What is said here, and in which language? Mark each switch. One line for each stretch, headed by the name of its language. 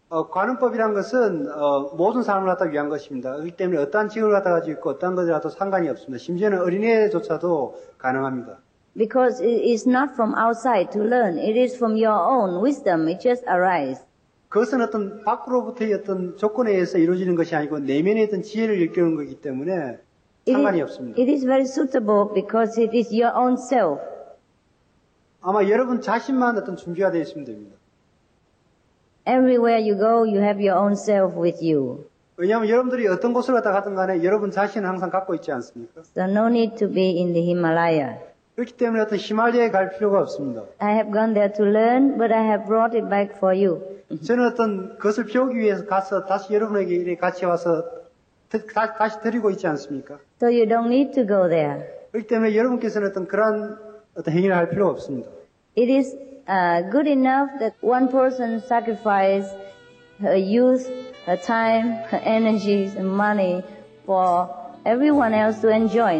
Korean: 관음법이란 것은 모든 사람을 갖다 위한 것입니다. 그렇기 때문에 어떠한 직업을 갖다 가지고 있고 어떤 것이라도 상관이 없습니다. 심지어는 어린애조차도 가능합니다.
English: Because it is not from outside to learn. It is from your own wisdom. It just arises.
Korean: 그것은 어떤 밖으로부터의 어떤 조건에 의해서 이루어지는 것이 아니고 내면의 어떤 지혜를 일깨우는 것이기 때문에 상관이 없습니다.
English: It is very suitable because it is your own self.
Korean: 아마 여러분 자신만 어떤 준비가 되어 있으면 됩니다.
English: Everywhere you go, you have your own self with you.
Korean: 왜냐하면 여러분들이 어떤 곳을 갔다 가든 간에 여러분 자신은 항상 갖고 있지 않습니까?
English: So no need to be in the Himalaya.
Korean: 그렇기 때문에 어떤 히말라야에 갈 필요가 없습니다.
English: I have gone there to learn, but I have brought it back for you.
Korean: 저는 어떤 것을 배우기 위해서 가서 다시 여러분에게 같이 와서 다시 드리고 있지 않습니까?
English: So you don't need to go there.
Korean: 그렇기 때문에 여러분께서는 어떤 그런 어떤 행위를 할 필요가 없습니다.
English: It is good enough that one person sacrifice her youth, her time, her energies, and money for everyone else to enjoy.